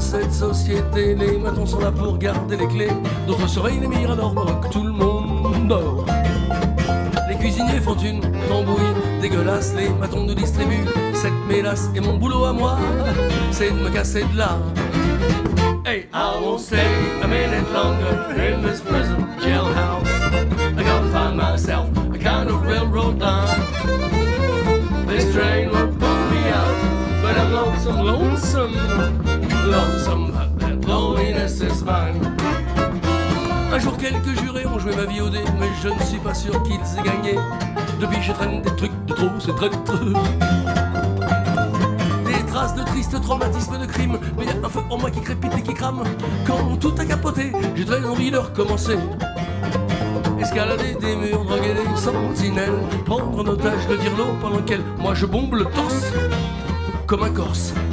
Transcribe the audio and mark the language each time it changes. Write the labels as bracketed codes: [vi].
[fr] Société, les matons sont là pour garder les clés. D'autres surveillent les miradors pendant que tout le monde dort. Les cuisiniers font une tambouille dégueulasse. Les matons nous distribuent cette mélasse. Et mon boulot à moi, c'est de me casser de là. [en] Hey, I won't stay a minute longer in this prison jailhouse. I gotta find myself a kind of railroad line. This train will pull me out, but I'm lonesome, lonesome. Lonesome, that loneliness is mine. [fr] Un jour quelques jurés ont joué ma vie au dé, mais je ne suis pas sûr qu'ils aient gagné. Depuis je traîne des trucs de trop, c'est traître. Des traces de tristes traumatismes de crime, mais y'a un feu en moi qui crépite et qui crame. Quand tout a capoté, j'ai très envie de recommencer. Escalader des murs, droguer des sentinelles, prendre en otage le dirlo pendant lequel moi je bombe le torse comme un corse.